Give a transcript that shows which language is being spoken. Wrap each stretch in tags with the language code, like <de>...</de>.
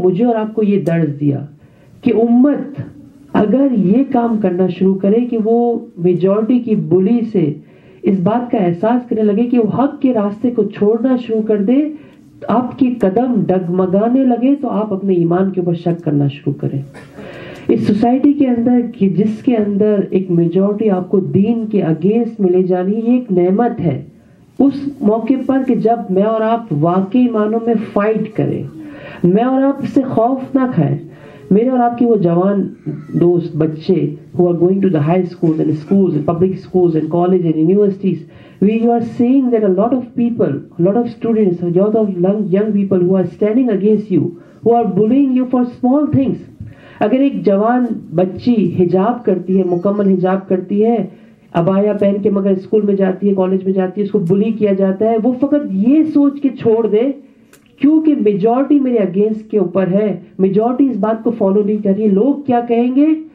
<ur>مجھے اور آپ کو یہ درس دیا کہ امت اگر یہ کام کرنا شروع کرے کہ وہ میجورٹی کی بلی سے اس بات کا احساس کرنے لگے کہ وہ حق کے راستے کو چھوڑنا شروع کر دے, آپ کے قدم ڈگمگانے لگے تو آپ اپنے ایمان کے اوپر شک کرنا شروع کریں. اس سوسائٹی کے اندر کہ جس کے اندر ایک میجورٹی آپ کو دین کے اگینسٹ ملے جانی, یہ ایک نعمت ہے اس موقع پر کہ جب میں اور آپ واقعی معنوں میں فائٹ کریں, میں اور آپ سے خوف نہ کھائیں. میرے اور آپ کے وہ جوان دوست بچے</ur> <en>who are going to the high schools and schools and public schools and college and universities, we are seeing that a lot of people, a lot of students, a lot of young people who are standing against you, who are bullying you for small things.</en> <ur>اگر ایک جوان بچی حجاب کرتی ہے, مکمل حجاب کرتی ہے, ابایا پہن کے مگر اسکول میں جاتی ہے, کالج میں جاتی ہے, اس کو بلی کیا جاتا ہے, وہ فقط یہ سوچ کے چھوڑ دے کیونکہ میجورٹی میرے اگینسٹ کے اوپر ہے, میجورٹی اس بات کو فالو نہیں کر رہی, لوگ کیا کہیں گے,</ur>